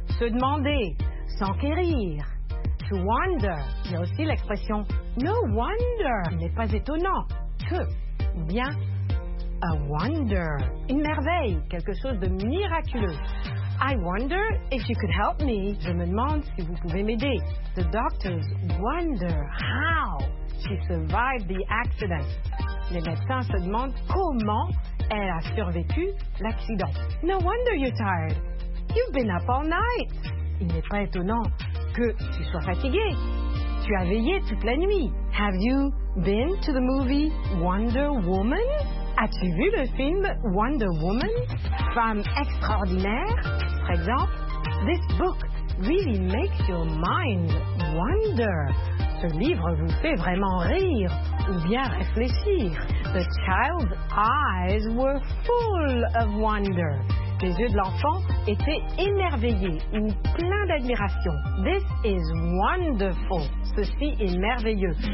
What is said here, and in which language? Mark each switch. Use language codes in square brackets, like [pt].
[fr] Se demander, s'enquérir. [en] To wonder. [fr] Il y a aussi l'expression no wonder. Il n'est pas étonnant que, ou bien, a wonder, une merveille, quelque chose de miraculeux. [en] I wonder if you could help me. [fr] Je me demande si vous pouvez m'aider. [en] The doctors wonder how she survived the accident. [fr] Les médecins se demandent comment elle a survécu l'accident. [en] No wonder you're tired. You've been up all night. [fr] Il n'est pas étonnant que tu sois fatigué. Tu as veillé toute la nuit. [en] Have you been to the movie Wonder Woman? [fr] As-tu vu le film Wonder Woman? Femme extraordinaire? Par exemple, [en] this book really makes your mind wonder. [fr] Ce livre vous fait vraiment rire ou bien réfléchir. [en] The child's eyes were full of wonder. [fr] Les yeux de l'enfant étaient émerveillés ou pleins d'admiration. [en] This is wonderful. [fr] Ceci est merveilleux.